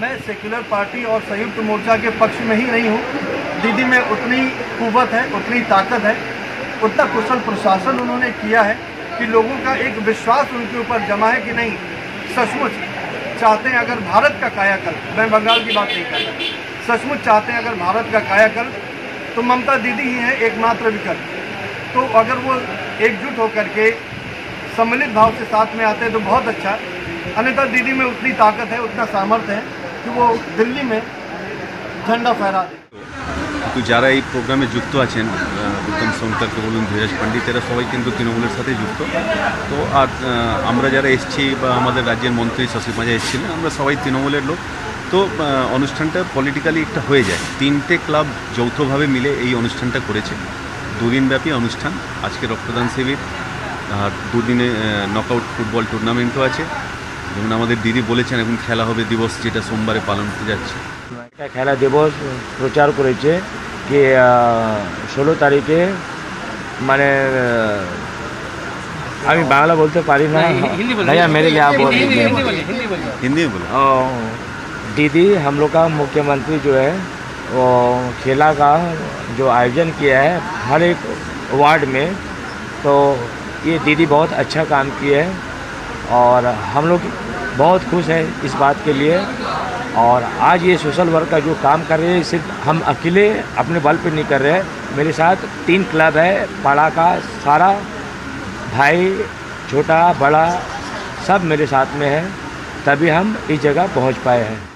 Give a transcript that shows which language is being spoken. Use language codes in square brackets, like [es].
[hi] मैं secular party और संयुक्त मोर्चा के पक्ष में ही नहीं हूँ, दीदी में उतनी कुवत है, उतनी ताकत है, उतना कुशल प्रशासन उन्होंने किया है कि लोगों का एक विश्वास उनके ऊपर जमा है कि नहीं, सचमुच चाहते हैं अगर भारत का कायाकल्प, मैं बंगाल की बात नहीं कर रहा, सचमुच चाहते हैं अगर भारत का कायाकल्प तो ममता दीदी ही हैं एकमात्र विकल्प, तो अगर वो एकजुट होकर के सम्मिलित भाव से साथ में आते हैं तो बहुत अच्छा है। अनिता दीदी में उतनी ताकत है, उतना सामर्थ्य है कि वो दिल्ली में झंडा फहरा दे। [bn] তো যারা এই প্রোগ্রামে যুক্ত আছেন, গৌতম সোমকার বলুন, ধীরজ পণ্ডিতেরা সবাই কিন্তু তৃণমূলের সাথে যুক্ত। তো আর আমরা যারা এসেছি বা আমাদের রাজ্যের মন্ত্রী শশী মাঝে এসেছিলেন, আমরা সবাই তৃণমূলের লোক। তো অনুষ্ঠানটা পলিটিক্যালি একটা হয়ে যায়, তিনটে ক্লাব যৌথভাবে মিলে এই অনুষ্ঠানটা করেছে, দুদিনব্যাপী অনুষ্ঠান। আজকে রক্তদান শিবির, আর দুদিনে নকআউট ফুটবল টুর্নামেন্টও আছে, যেমন আমাদের দিদি বলেছেন, এবং খেলা হবে দিবস যেটা সোমবারে পালন করতে যাচ্ছে। একটা খেলা দিবস প্রচার করেছে যে 16 তারিখে, মানে আমি বাংলা বলতে পারি না, [hi] ভাইয়া মেরে গিয়া বল, [bn] হিন্দি বলে [hi] দিদি, হাম লোক কা মুখ্যমন্ত্রী জো হ্যায় ও খেলা কা জো আয়োজন কিয়া হ্যায় হর এক ওয়ার্ড মে, তো ইয়ে দিদি বহুত আচ্ছা কাম কিয়া হ্যায় অর হাম লোক বহুত খুশ হ্যায় ইস বাত কে লিয়ে। और आज ये सोशल वर्क का जो काम कर रहे हैं, सिर्फ हम अकेले अपने बल पे नहीं कर रहे हैं, मेरे साथ तीन क्लब है पाड़ा का, सारा भाई छोटा बड़ा सब मेरे साथ में है, तभी हम इस जगह पहुंच पाए हैं।